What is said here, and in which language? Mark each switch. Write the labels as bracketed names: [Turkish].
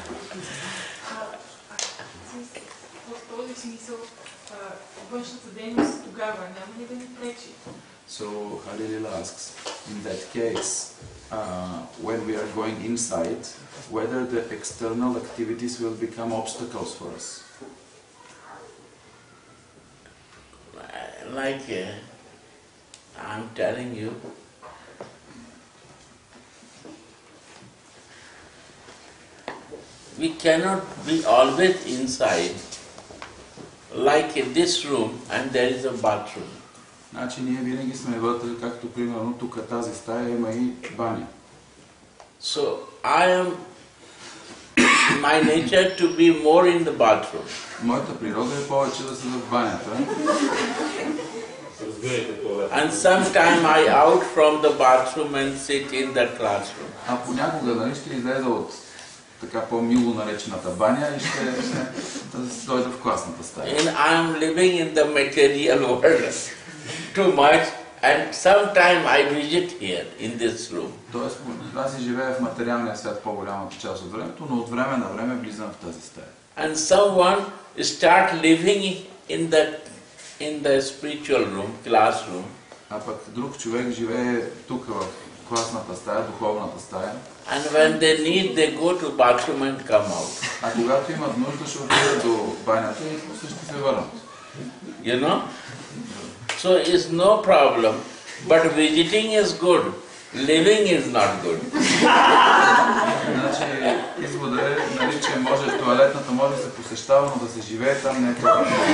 [Bulgarian] В този смисъл, външната дейност тогава няма ли да ни пречи? [English] So, Halilila asks, in that case, when we are going inside, whether the external activities will become obstacles for us? Like, I'm telling you, we cannot be always inside, like in this room, and there is a bathroom. [Bulgarian] Значи ние винаги сме вътре, както примерно тук тази стая има и баня. [English] So I am my nature to be more in the bathroom. [Bulgarian] Моята природа е повече да съм в банята. [English] And sometimes I out from the bathroom and sit in the classroom. [Bulgarian] А понякога нали ще излезе от така по-мило наречената баня и ще дойде в класната стая. [English] And I am living in the material world too much, and sometimes I visit here in this room. [Bulgarian] Тоест, аз живея в материалния свят по-голямата част от времето, но от време на време влизам в тази стая. [English] And someone start living in the spiritual room, classroom. [Bulgarian] А пък друг човек живее тук в класната стая, духовната стая. [English] And when they need, they go to bathroom and come out. [Bulgarian] А когато имат нужда, ще отидат до банята и също се върнат. [English] You know? So it's no problem, but visiting is good, living is not good. [Bulgarian] Значи извода е, нали, че може туалетната може да се посещава, но да се живее там не е това.